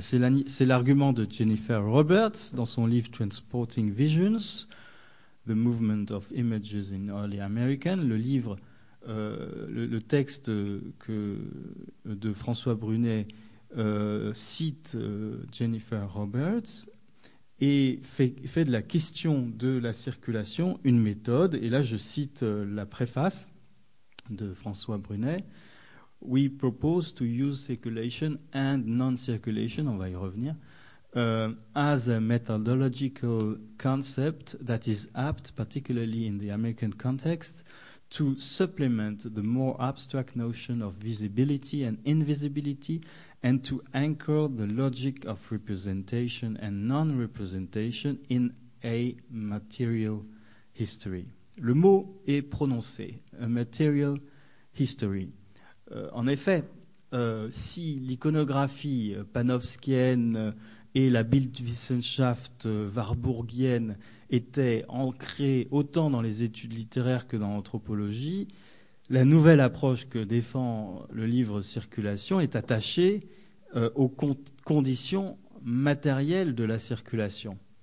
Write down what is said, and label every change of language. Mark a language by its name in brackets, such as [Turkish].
[French] C'est l'argument de Jennifer Roberts dans son livre Transporting Visions, The Movement of Images in Early American, le texte de François Brunet cite Jennifer Roberts et fait de la question de la circulation une méthode. Et là, je cite la préface de François Brunet. [English] « We propose to use circulation and non-circulation, [French] on va y revenir, [English] as a methodological concept that is apt, particularly in the American context, to supplement the more abstract notion of visibility and invisibility and to anchor the logic of representation and non-representation in a material history. » [French] Le mot est prononcé, [English] a material history. [French] En effet, si l'iconographie panofskienne et la Bildwissenschaft warburgienne étaient ancrées autant dans les études littéraires que dans l'anthropologie, la nouvelle approche que défend le livre Circulation est attachée aux conditions matérielles de la circulation.